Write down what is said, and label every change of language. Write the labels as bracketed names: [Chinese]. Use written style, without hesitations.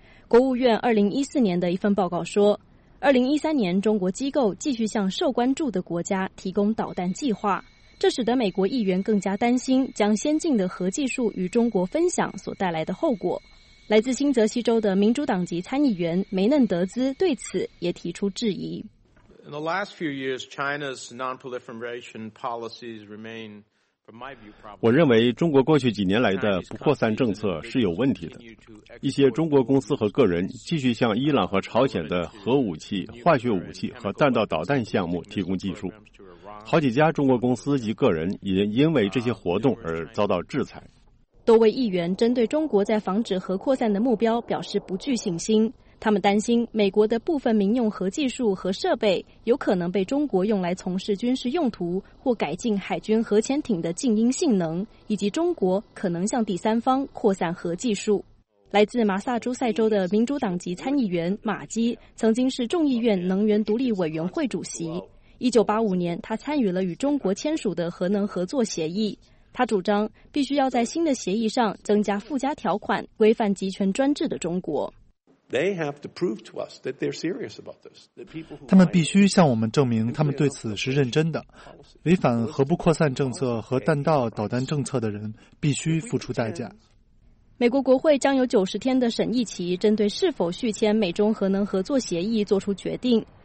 [Chinese] 国务院2014年的一份报告说，2013年中国机构继续向受关注的国家提供导弹计划，这使得美国议员更加担心将先进的核技术与中国分享所带来的后果。来自新泽西州的民主党籍参议员梅嫩德兹对此也提出质疑。 [English] In the last few years, China's non-proliferation policies remain, from my viewpoint. [Chinese] 我认为中国过去几年来的不扩散政策是有问题的。一些中国公司和个人继续向伊朗和朝鲜的核武器、化学武器和弹道导弹项目提供技术。好几家中国公司及个人也因为这些活动而遭到制裁。多位议员针对中国在防止核扩散的目标表示不具信心。他们担心美国的部分民用核技术和设备有可能被中国用来从事军事用途或改进海军核潜艇的静音性能，以及中国可能向第三方扩散核技术。来自马萨诸塞州的民主党籍参议员马基曾经是众议院能源独立委员会主席。 1985年他参与了与中国签署的核能合作协议，他主张必须要在新的协议上增加附加条款规范集权专制的中国。 [English] They have to prove to us that they're serious about this. That people who [Chinese] 他们必须向我们证明他们对此是认真的。违反核不扩散政策和弹道导弹政策的人必须付出代价。美国国会将有90天的审议期，针对是否续签美中核能合作协议做出决定。